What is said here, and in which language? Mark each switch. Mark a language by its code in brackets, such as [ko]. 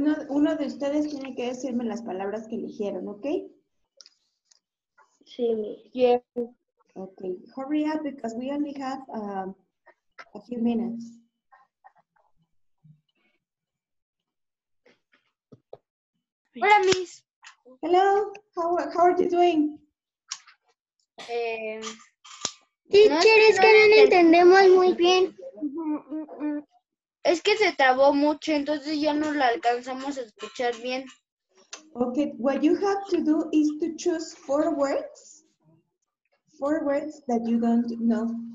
[es] Uno de ustedes tiene que decirme las palabras que eligieron, ¿ok? Sí, [en] yeah. Okay, hurry up because we only have a few minutes. [es] Hola, Miss. [en] Hello, how are you doing? [es] Teacher, es que no lo entendemos muy bien. Es que se trabó mucho, entonces ya no la alcanzamos a escuchar bien. [en] Okay, what you have to do is to choose four words that you don't know.